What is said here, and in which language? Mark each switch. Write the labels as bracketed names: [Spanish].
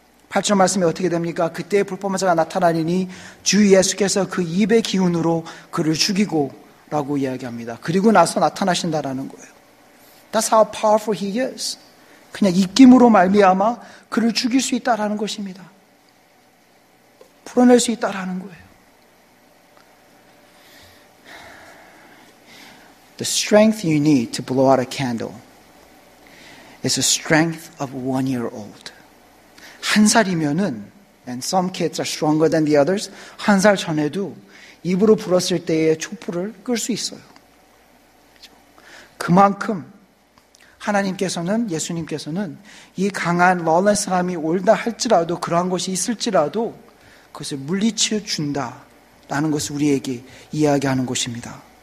[Korean] 8절 말씀이 어떻게 됩니까? 그때 불법한 자가 나타나니 주 예수께서 그 입의 기운으로 그를 죽이고 라고 이야기합니다. 그리고 나서 나타나신다라는 거예요. [English] That's how powerful he is. [Korean] 그냥 입김으로 말미암아 그를 죽일 수 있다라는 것입니다. 풀어낼 수 있다라는 거예요. [English] The strength you need to blow out a candle is the strength of 1 year old. [Korean] 한 살이면은 [English] and some kids are stronger than the others. [Korean] 한 살 전에도 입으로 불었을 때에 촛불을 끌 수 있어요. 그만큼 하나님께서는 예수님께서는 이 강한 lawlessness함이 올다 할지라도 그러한 것이 있을지라도 그것을 물리쳐 준다라는 것을 우리에게 이야기하는 것입니다.